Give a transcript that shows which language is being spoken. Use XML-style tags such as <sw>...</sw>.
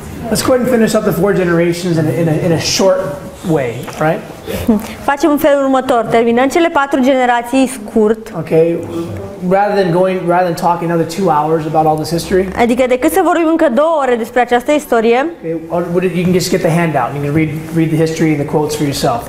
<en>Let's go ahead and finish up the four generations in a short way, right?</en> <ro>Facem un felul următor, terminăm cele patru generații scurt. Okay.</ro> <en>Rather than talking another 2 hours about all this history.</en> <ro>Adică decât să vorbim încă 2 ore despre această istorie.</ro> <en>Okay. You can just get the handout. You can read the history and the quotes for yourself.</en>